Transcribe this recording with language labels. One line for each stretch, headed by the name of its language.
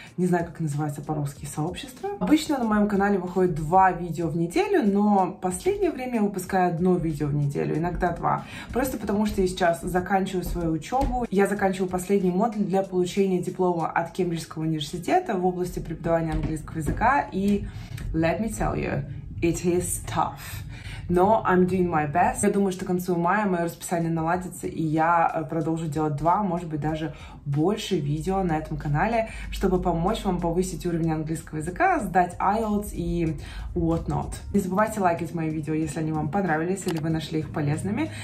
Russian: Не знаю, как называется по-русски сообщество. Обычно на моем канале выходит 2 видео в неделю, но в последнее время я выпускаю 1 видео в неделю, иногда 2. Просто потому, что я сейчас заканчиваю свою учебу. Я заканчиваю последний модуль для получения диплома от Кембриджского университета в области преподавания английского языка. И
English: let me tell you, it is tough.
Russian: Но
English: I'm doing my best.
Russian: Я думаю, что к концу мая мое расписание наладится, и я продолжу делать 2, может быть, даже больше видео на этом канале, чтобы помочь вам повысить уровень английского языка, сдать IELTS и
English: whatnot.
Russian: Не забывайте лайкать мои видео, если они вам понравились или вы нашли их полезными.